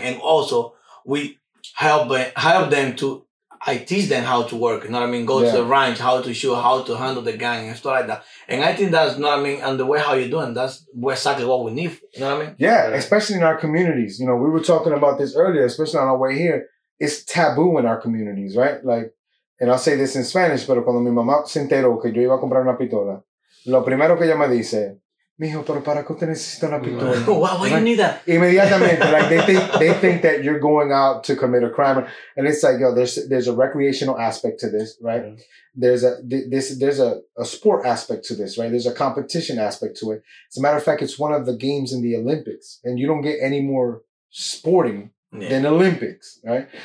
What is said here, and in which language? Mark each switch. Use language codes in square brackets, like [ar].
[en] And also we help them to, I teach them how to work, you know what I mean? Go to the ranch, how to shoot, how to handle the gang and stuff like that. And I think that's, you know what I mean? And the way how you're doing, that's exactly what we need, you know what I mean? Yeah, especially in our communities. You know, we were talking about this earlier, especially on our way here. It's taboo in our communities, right? Like, and I'll say this in Spanish, [es] pero cuando mi mamá se enteró que yo iba a comprar una pistola, lo primero que ella me dice, mijo, pero ¿para qué te necesito una pistola? [en] Wow, why do you need that? [es] Inmediatamente, [en] like, they think that you're going out to commit a crime. And it's like, yo, there's a recreational aspect to this, right? Yeah. There's a sport aspect to this, right? There's a competition aspect to it. As a matter of fact, it's one of the games in the Olympics. And you don't get any more sporting than Olympics, right?